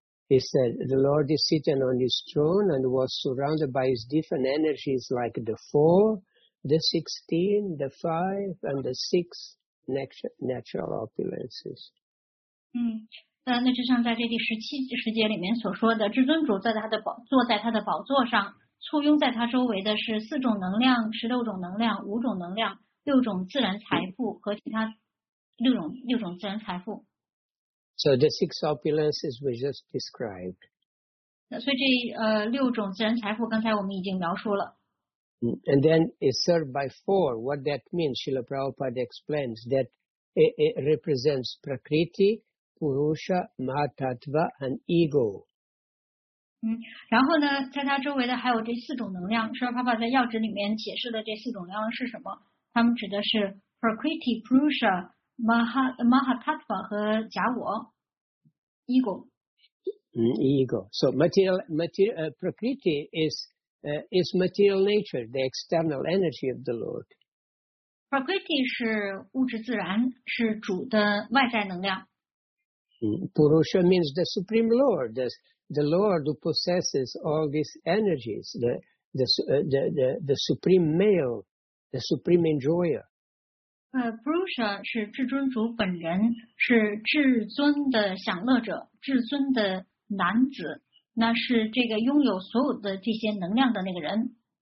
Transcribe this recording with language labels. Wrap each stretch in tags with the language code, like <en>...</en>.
<en>He said, the Lord is sitting on his throne and was surrounded by his different energies like the 4, the 16, the 5, and the 6 natural opulences.</en> <zh>那就像在这第十七十节里面所说的，至尊主在他的宝坐在他的宝座上，簇拥在他周围的是四种能量、十六种能量、五种能量、六种自然财富和其他六种自然财富。</zh> <en>So the six opulences we just described.</en> <zh>那所以这六种自然财富刚才我们已经描述了。</zh> <en>And then it's served by four. What that means, Srila Prabhupada explains that it represents Prakriti. Purusha, Mahatattva, and Ego.</en> <zh>然后呢，在它周围的还有这四种能量。 Srila Prabhupada在要旨里面解释的这四种能量是什么？它们指的是 Prakriti, Purusha, Mahatattva 和假我 ，Ego.</zh> <en>Ego. So Prakriti is material nature, the external energy of the Lord.</en> <zh>Prakriti 是物质自然，是主的外在能量。</zh> <en>Purusha means the Supreme Lord, the Lord who possesses all these energies, the Supreme Male, the Supreme Enjoyer.</en> <zh>Purusha 是至尊主本人，是至尊的享乐者，至尊的男子，那是这个拥有所有的这些能量的那个人。</zh>